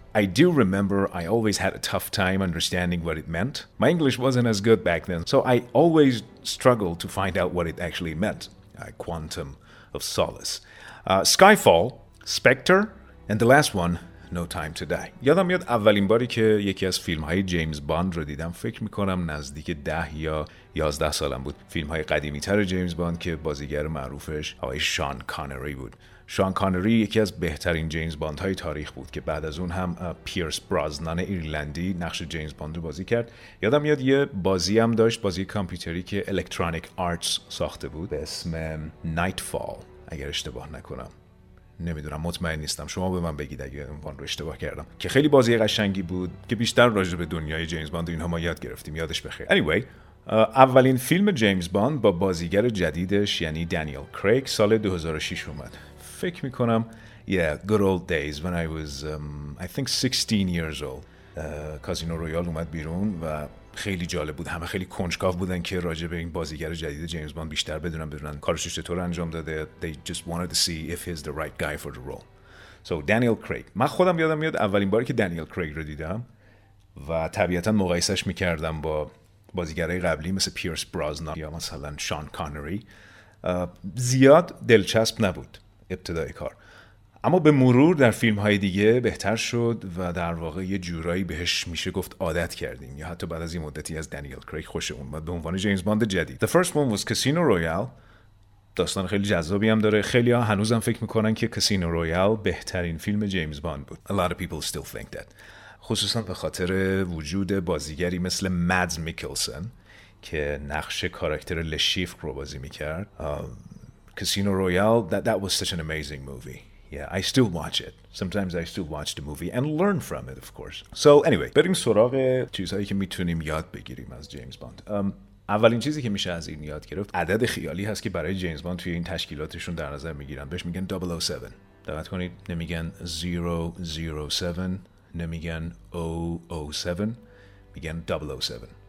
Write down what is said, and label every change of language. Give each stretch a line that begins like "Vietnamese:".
English: I do remember I always had a tough time understanding what it meant. My English wasn't as good back then, so I always struggled to find out what it actually meant. Quantum of Solace. Skyfall, Spectre, and the last one, No Time to Die.
Persian: یادم میاد اولین باری که یکی از فیلم های جیمز باند رو دیدم، فکر میکنم نزدیک 10 یا 11 سالم بود. فیلم های قدیمی تر جیمز باند که بازیگر معروفش آقای شان کانری بود. شان کانری یکی از بهترین جیمز باند های تاریخ بود که بعد از اون هم پیرس برازنان ایرلندی نقش جیمز باند رو بازی کرد. یادم میاد یه بازی هم داشت، بازی کامپیوتری که الکترونیک آرتس ساخته بود به اسم Nightfall، اگر اشتباه نکنم. نمیدونم، مطمئن نیستم، شما به من بگید اگه عنوان رو اشتباه کردم، که خیلی بازی قشنگی بود که بیشتر راجع به دنیای جیمز باند اینها ما یاد گرفتیم. یادش بخیر. anyway، اولین فیلم جیمز باند با بازیگر جدیدش یعنی دانیل کریگ سال 2006 اومد. فکر میکنم
English: good old days when I was I think 16 years old.
Persian: کازینو رویال اومد بیرون و خیلی جالب بود، همه خیلی کنجکاو بودن که راجع به این بازیگر جدید جیمز باند بیشتر بدونن کارش چطور انجام داده.
English: They just wanted to see if he's the right guy for the role. So Daniel Craig.
Persian: من خودم یادم میاد اولین باری که دانیل کریگ رو دیدم و طبیعتاً مقایسش میکردم با بازیگرای قبلی مثل پیرس برازنان یا مثلا شان کانری، زیاد دلچسب نبود ابتدای کار، اما به مرور در فیلم‌های دیگه بهتر شد و در واقع یه جورایی بهش میشه گفت عادت کردیم، یا حتی بعد از این مدتی از دانیل کریگ خوشمون اومد به عنوان جیمز باند جدید.
English: The first one was Casino Royale.
Persian: داستان خیلی جذابی هم داره. خیلی ها هنوز هم فکر میکنن که Casino Royale بهترین فیلم جیمز باند بود.
English: A lot of people still think that.
Persian: خصوصا به خاطر وجود بازیگری مثل مادز میکلسن که نقش کاراکتر لشیفک رو بازی میکرد.
English: Casino Royale, that was such an amazing movie. Yeah, I still watch it. Sometimes I still watch the movie and learn from it, of course. So anyway,
Persian: بریم سراغ چیزهایی که میتونیم یاد بگیریم از جیمز باند. اولین چیزی که میشه از این یاد گرفت عدد خیالی هست که برای جیمز باند توی این تشکیلاتشون در نظر میگیرن. بهش میگن 007. تا 20 نمیگن 007 نمیگن 007 میگن 007.